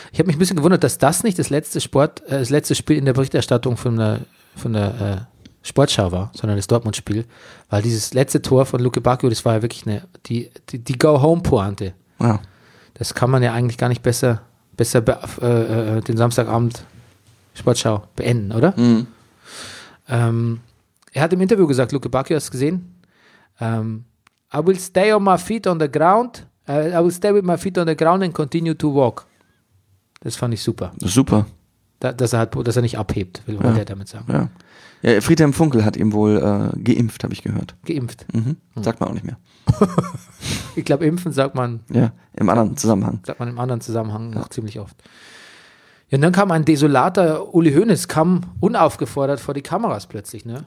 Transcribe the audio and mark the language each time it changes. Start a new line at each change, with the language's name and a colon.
German: Ich habe mich ein bisschen gewundert, dass das nicht das letzte Spiel in der Berichterstattung von der Sportschau war, sondern das Dortmund-Spiel, weil dieses letzte Tor von Luke Bacchio, das war ja wirklich die Go-Home-Pointe. Ja. Das kann man ja eigentlich gar nicht den Samstagabend Sportschau beenden, oder? Mhm. Er hat im Interview gesagt, Luke Bacchio, hast du gesehen?
English: I will stay on my feet on the ground. I will stay with my feet on the ground and continue to walk.
German: Das fand ich super. Super. Dass er nicht abhebt, will man der damit sagen. Ja. Ja, Friedhelm Funkel hat ihm wohl geimpft, habe ich gehört. Geimpft. Mhm. Sagt man auch nicht mehr. Ich glaube, impfen sagt man. Ja, im anderen Zusammenhang. Sagt man im anderen Zusammenhang noch ziemlich oft. Ja, und dann kam ein desolater Uli Hoeneß, kam unaufgefordert vor die Kameras plötzlich, ne?